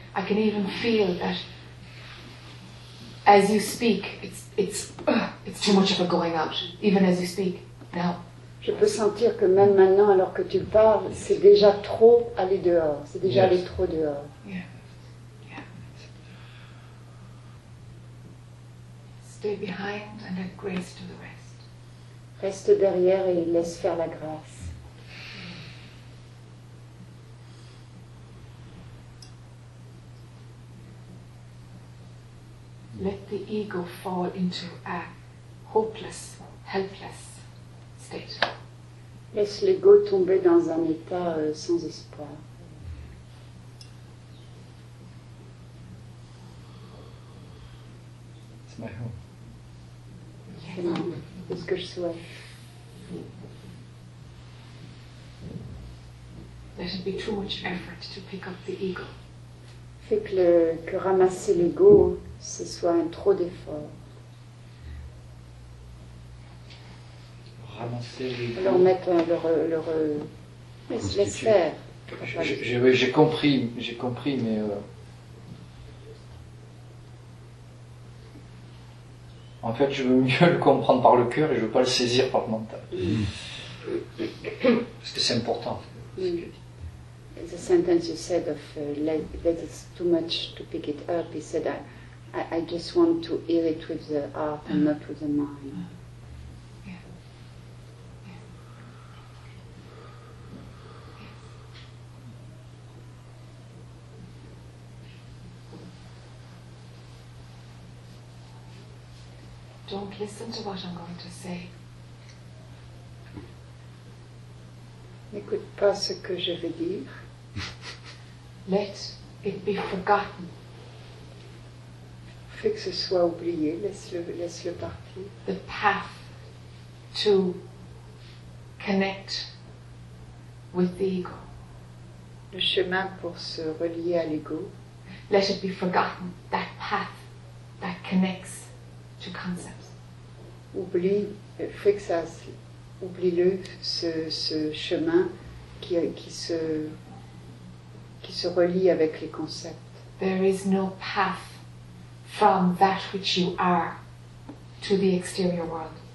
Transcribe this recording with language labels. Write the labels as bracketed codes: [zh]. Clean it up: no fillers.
[en] I can even feel that as you speak, it's too much of a going out, even as you speak now. [fr] Je peux sentir que même maintenant, alors que tu parles, c'est déjà trop aller dehors. C'est déjà aller trop dehors. [en] Yeah. Stay behind and let grace do the rest. [fr] Reste derrière et laisse faire la grâce. [en] Let the ego fall into a hopeless, helpless state. [fr] Laisse l'ego tomber dans un état sans espoir. [en] It's my home. [fr] C'est ce que je souhaite. [en] There should be too much effort to pick up the ego. [fr] Fait que, ramasser l'ego, ce soit un trop d'effort. Alors mettre le laisse faire. J'ai compris, mais en fait, je veux mieux le comprendre par le cœur et je veux pas le saisir par le mental. Parce que c'est important. [en] The sentence you said of that it's too much to pick it up. He said I just want to hear it with the heart and not with the mind. Don't listen to what I'm going to say. [fr] N'écoute pas ce que je vais dire. [en] Let it be forgotten. [fr] Fais que ce soit oublié, laisse-le partir. [en] The path to connect with the ego. [fr] Le chemin pour se relier à l'ego. [en] Let it be forgotten, that path that connects to concepts. [fr] Oublie-le, ce chemin qui se relie avec les concepts. [en] There is no path from that which you are to the exterior world.